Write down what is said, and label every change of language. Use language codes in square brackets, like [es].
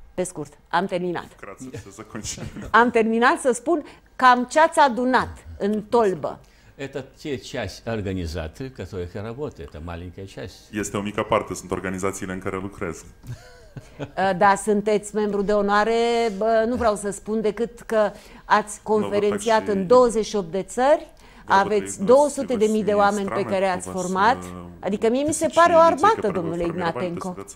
[ro] Pe scurt, am terminat. Am terminat să spun cam ce ați adunat în tolbă. [ru] Это те часть организации, в которых я работаю, это маленькая часть. Есть у меня парты, это организации, в которых я работаю. [ro] Да, sunteți membru de onoare, nu vreau să spun decât că ați conferențiat în 28 de țări, aveți 200.000 de oameni pe care ați format. Adică mie mi se pare o armată, domnule Ignatenko.